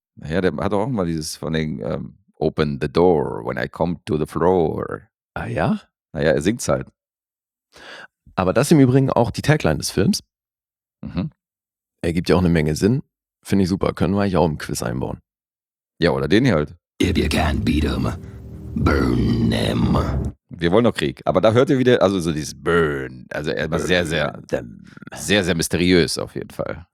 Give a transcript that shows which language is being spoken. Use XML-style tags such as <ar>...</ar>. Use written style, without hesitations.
<de>Ja, der hat auch mal dieses von den</de> <en>Open the door when I come to the floor.</en> <de>Ah ja? Naja, er singt's halt. Aber das ist im Übrigen auch die Tagline des Films. Mhm. Er gibt ja auch eine Menge Sinn. Finde ich super. Können wir eigentlich auch im Quiz einbauen. Ja, oder den hier halt.</de> <en>If you can beat him, burn them.</en> <de>Wir wollen noch Krieg. Aber da hört ihr wieder, also so dieses Burn. Also er war sehr, sehr, sehr, sehr mysteriös auf jeden Fall.</de>